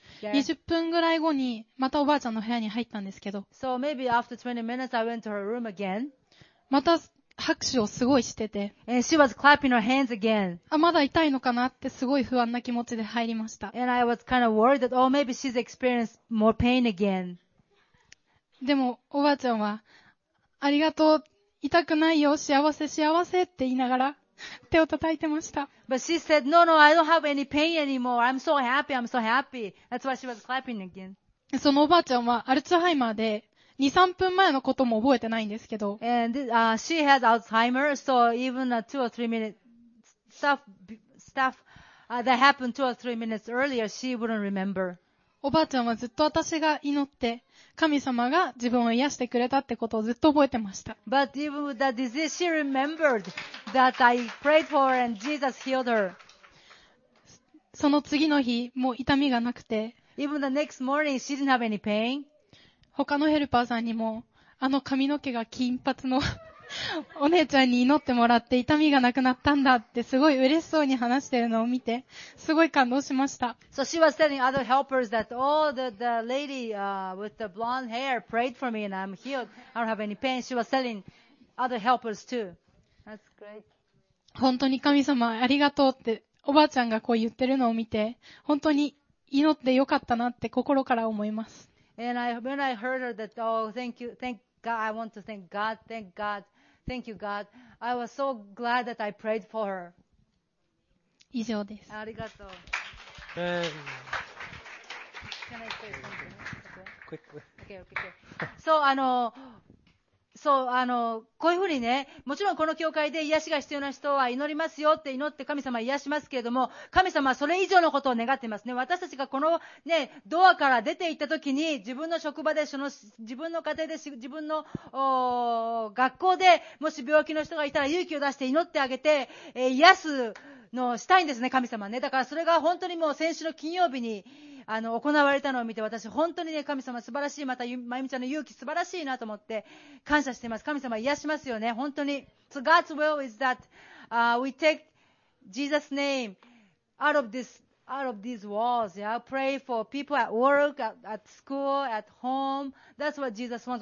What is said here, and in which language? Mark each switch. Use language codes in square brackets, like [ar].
[en] Yeah. [ja] 20分ぐらい後にまたおばあちゃんの部屋に入ったんですけど。 [en] So maybe after 20 minutes I went to her room again. [ja] また拍手をすごいしてて。 [en] And she was clapping her hands again. [ja] あ、まだ痛いのかなってすごい不安な気持ちで入りました。 [en] And I was kind of worried that, oh, maybe she's experienced more pain again. [ja] でもおばあちゃんはありがとう、痛くないよ、幸せ幸せって言いながら手を叩いてました。 [en] But she said, no, no, I don't have any pain anymore. I'm so happy, I'm so happy. That's why she was clapping again. [ja] そのおばあちゃんはアルツハイマーで2、3分前のことも覚えてないんですけど。 [en] And she had Alzheimer, so even a 2 or 3 minute stuff that happened 2 or 3 minutes earlier, she wouldn't remember. [ja] おばあちゃんはずっと私が祈って、神様が自分を癒してくれたってことをずっと覚えてました。 [en] But even with that disease, she remembered that I prayed for her and Jesus healed her. [ja] その次の日、もう痛みがなくて。 [en] Even the next morning, she didn't have any pain. [ja] 他のヘルパーさんにも、あの髪の毛が金髪のお姉ちゃんに祈ってもらって痛みがなくなったんだってすごい嬉しそうに話してるのを見てすごい感動しました。 [en] So she was telling other helpers that, oh, the lady, with the blonde hair prayed for me and I'm healed. I don't have any pain. She was telling other helpers too. That's great. [ja] 本当に神様ありがとうっておばあちゃんがこう言ってるのを見て本当に祈ってよかったなって心から思います。 [en] And when I heard her that, oh, thank you, thank you. God, I want to thank God, thank God, thank you, God. I was so glad that I prayed for her. [ja] 以上です。ありがとう。 [en] Can I say something? Quickly. Okay, okay. [ja] So, こういうふうにね、もちろんこの教会で癒しが必要な人は祈りますよって祈って神様癒しますけれども、神様はそれ以上のことを願ってますね。私たちがこのね、ドアから出て行った時に、自分の職場で、その、自分の家庭で、自分の、学校で、もし病気の人がいたら勇気を出して祈ってあげて、癒すのをしたいんですね、神様ね。だからそれが本当にもう先週の金曜日に、行われたのを見て、私本当にね、神様素晴らしい、また、まゆみちゃんの勇気素晴らしいなと思って、感謝しています。神様癒しますよね、本当に。 [en] So God's will is that, we take Jesus' name out of these walls, yeah? Pray for people at work, at school, at home. That's what Jesus wants.